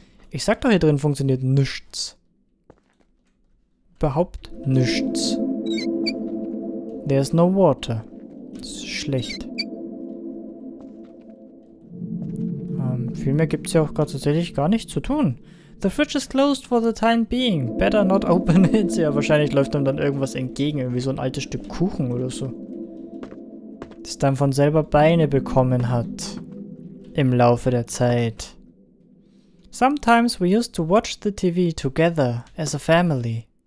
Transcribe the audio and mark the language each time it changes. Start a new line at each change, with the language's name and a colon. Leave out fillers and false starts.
German: Ich sag doch, hier drin funktioniert nichts. Überhaupt nichts.
English: There's no water.
German: Das ist schlecht. Viel mehr gibt's ja auch gerade tatsächlich gar nicht zu tun.
English: The fridge is closed for the time being. Better not open it.
German: Ja, wahrscheinlich läuft einem dann irgendwas entgegen. Irgendwie so ein altes Stück Kuchen oder so. Das dann von selber Beine bekommen hat. Im Laufe der Zeit.
English: Sometimes we used to watch the TV together as a family.